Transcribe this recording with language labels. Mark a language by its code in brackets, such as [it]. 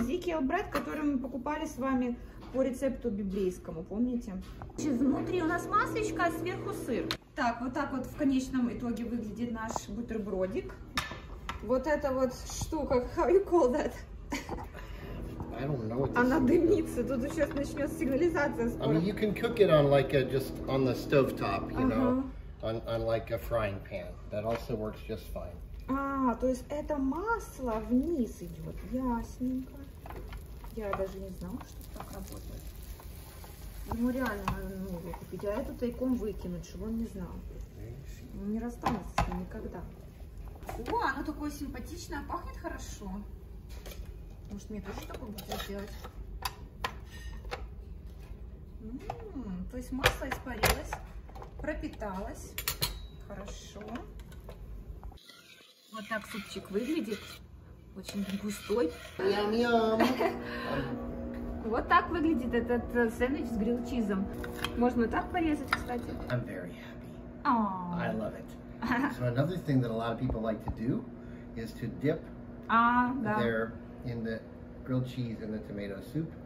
[ru] Ezekiel bread, который мы покупали с вами по рецепту библейскому, помните? Внутри у нас масочка, а сверху сыр. Так вот в конечном итоге выглядит наш бутербродик. Вот эта вот штука, [en] how you call that? I don't know what this [ru] она дымится, тут сейчас начнется сигнализация скоро. [en] I mean, you can cook it on like a, just on the stovetop, you know, on like a frying pan. That also works just fine. [ru] А, то есть это масло вниз идет, ясненько. Я даже не знала, что так работает. Ну реально, ну, его купить, а эту тайком выкинуть, чтобы он не знал. Не расстанется с ним никогда. О, оно такое симпатичное, пахнет хорошо. Может, мне тоже такое будет сделать? То есть масло испарилось, пропиталось. Хорошо. Вот так супчик выглядит. Очень густой. Ням-ням. Вот так выглядит этот сэндвич с грилл чизом. Можно так порезать, кстати. [en] I'm very happy. Aww. I love it. So another thing that a lot of people like to do is to dip [ru] да. [en] their in the grilled cheese and the tomato soup.